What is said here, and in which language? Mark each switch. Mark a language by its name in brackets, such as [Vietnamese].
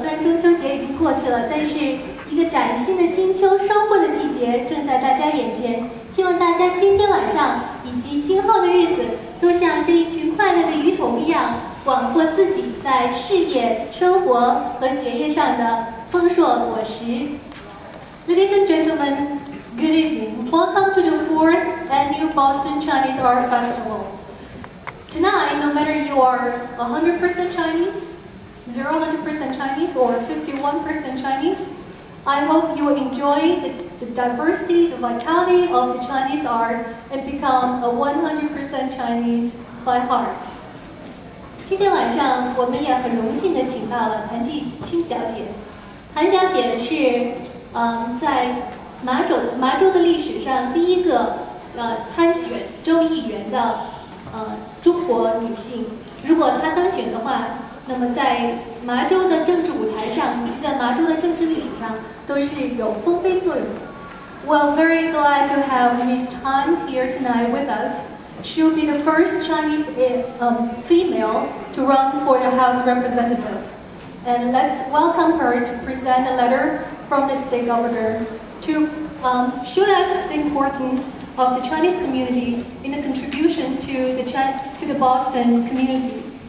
[Chinese] 虽然中秋节已经过去了，但是一个崭新的金秋收获的季节正在大家眼前。希望大家今天晚上以及今后的日子，都像这一群快乐的鱼童一样，广阔自己在事业、生活和学业上的丰硕果实。 [English] Ladies and gentlemen, good evening. Welcome to the 4th Annual Boston Chinese Art Festival. Tonight, no matter you are 100% Chinese, 0% Chinese, or 51% Chinese, I hope you will enjoy the diversity, the vitality of the Chinese art and become a 100% Chinese by heart. [Chinese] 今天晚上我们也很荣幸地请到了韩继清小姐。韩小姐是在麻州的历史上第一个参选州议员的中国女性。如果她当选的话，那么在麻州的政治舞台上，在麻州的政治历史上都是有丰碑作用。 [English] Well, very glad to have Ms. Tan here tonight with us. She'll be the first Chinese female to run for the House Representative. And let's welcome her to present a letter from the state governor to show us the importance of the Chinese community in the contribution to the Boston community.